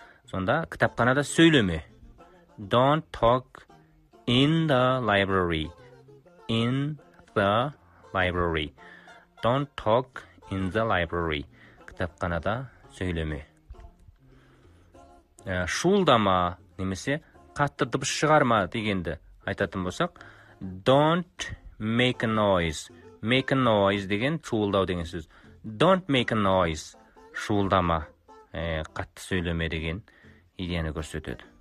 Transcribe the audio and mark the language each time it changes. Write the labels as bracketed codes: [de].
[kk] Сонда кітапханада сөйлеме. [en] Don't talk in the library. In the library. Don't talk in the library. [kk] Кітапханада сөйлеме. Шулдама немесе қатты дыбыс шығарма дегенді айтатын болсақ, [en] don't make a noise. Make a noise [kk] деген шуылдау деген сөз. [en] Don't make a noise. [kk] Шуылдама. Қатты сөйлеме деген идеяны көрсетеді.